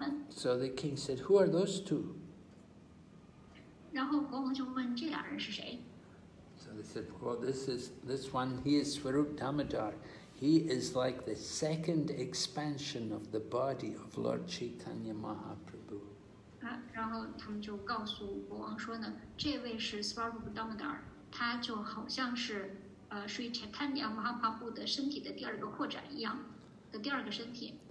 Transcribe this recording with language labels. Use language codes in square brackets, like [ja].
[en] So the king said, who are those two? [zh] 然后国王就问这俩人是谁。 [en] So they said, well, this one, he is Swarup Damodar. He is like the second expansion of the body of Lord Chaitanya Mahaprabhu. [zh] 然后他们就告诉国王说呢，这位是 Swarup Damodar， 他就好像是Sri Chaitanya Mahaprabhu 的身体的第二个扩展一样，的第二个身体。